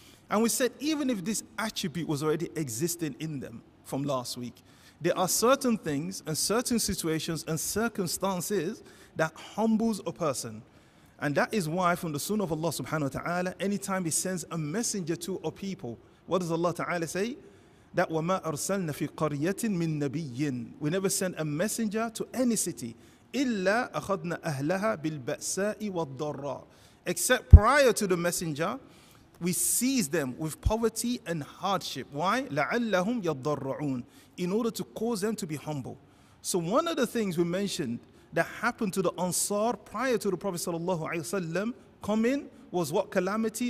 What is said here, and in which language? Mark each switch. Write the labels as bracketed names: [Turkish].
[English] And we said even if this attribute was already existing in them from last week, there are certain things and certain situations and circumstances that humbles a person. And that is why from the sunnah of Allah subhanahu wa ta'ala, anytime he sends a messenger to a people, what does Allah ta'ala say? [Arabic] That وَمَا أَرْسَلْنَا فِي قَرْيَةٍ مِن نَبِيٍّ. [English] We never send a messenger to any city. [Arabic] إِلَّا أَخَذْنَا أَهْلَهَا بِالْبَأْسَاءِ وَالضَّرَّاءِ. [English] Except prior to the messenger, we seize them with poverty and hardship. [Arabic] Why? لَعَلَّهُمْ يَضَّرَّعُونَ. [English] In order to cause them to be humble. So one of the things we mentioned that happened to the Ansar prior to the Prophet ﷺ coming was what calamity?